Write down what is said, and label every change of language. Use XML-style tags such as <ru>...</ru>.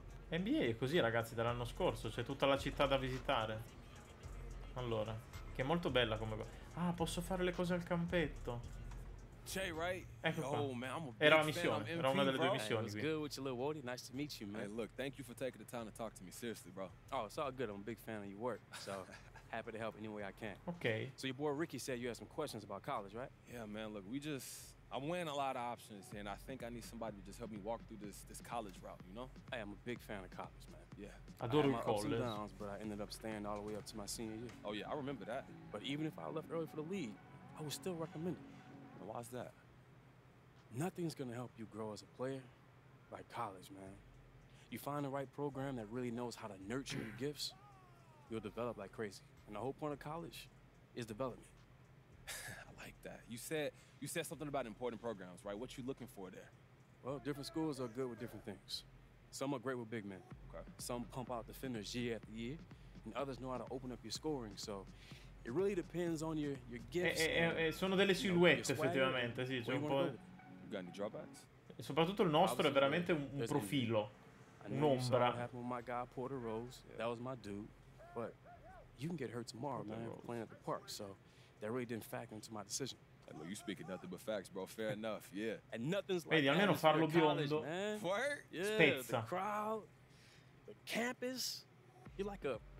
<it>NBA è così, ragazzi, dall'anno scorso. C'è tutta la città da visitare. Allora, che è molto bella come cosa. Ah, posso fare le cose al campetto.</it> <en>Jay, right?</en> <it>Ecco qua. Era la missione, era una delle due missioni.</it> <en>Hey, good with your little Woody. Nice to meet you, man. Hey, look, thank you for taking the time to talk to me. Seriously, bro. Oh, it's all good. I'm a big fan of your work, so happy to help any way I can. Okay. So your boy Ricky said you had some questions about college, right? Yeah, man. Look, I'm weighing a lot of options, and I think I need somebody to just help me walk through this college route, you know? Hey, I'm a big fan of college, man. Yeah. I had my ups and downs, but I ended up staying all the way up to my senior year. Oh, yeah, I remember that. But even if I left early for the league, I would still recommend it. Why is that? Nothing's gonna help you grow as a player like college, man. You find the right program that really knows how to nurture your gifts, you'll develop like crazy. And the whole point of college is development. I like that. You said something about important programs, right? What you looking for there? Well, different schools are good with different things. Some are great with big men. Okay. Some pump out defenders year after year, and others know how to open up your scoring, so it really depends on your gifts.</en> <it>Sono delle silhouette, effettivamente, sì, c'è un po'.</it> <en>Got any drawbacks?</en> <it>Soprattutto il nostro è veramente un profilo, un'ombra.</it> <en>My guy Porter Rose, that was my dude. But you can get hurt tomorrow, man, playing at the park. So that really didn't factor into my decision. You speak nothing but facts, bro. Fair enough, yeah. And nothing's like.</en> <it>Vedi, almeno farlo biondo.</it> <en>Spezza. The crowd, the campus, you're like a.</en>